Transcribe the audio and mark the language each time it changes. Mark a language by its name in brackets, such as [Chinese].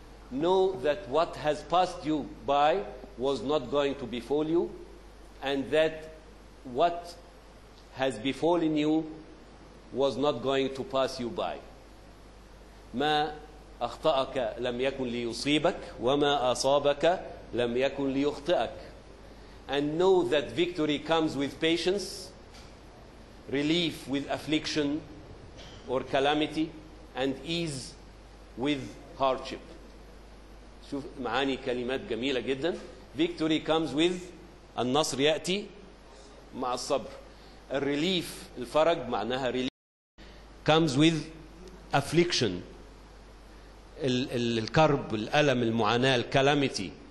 [English] Know that what has passed you by was not going to befall you, and that what has befallen you was not going to pass you by. [Arabic] ما أخطأك لم يكن ليصيبك وما أصابك لم يكن ليخطئك. [English] And know that victory comes with patience, relief with affliction or calamity, and ease with hardship. [Arabic] شوف معاني كلمات جميلة جدا. [English] Victory comes with, [Arabic] النصر يأتي مع الصبر. [English] Relief, [Arabic] الفرج معناها [English] relief, comes with affliction, [Arabic] الكرب, الألم, المعاناة, [English] calamity.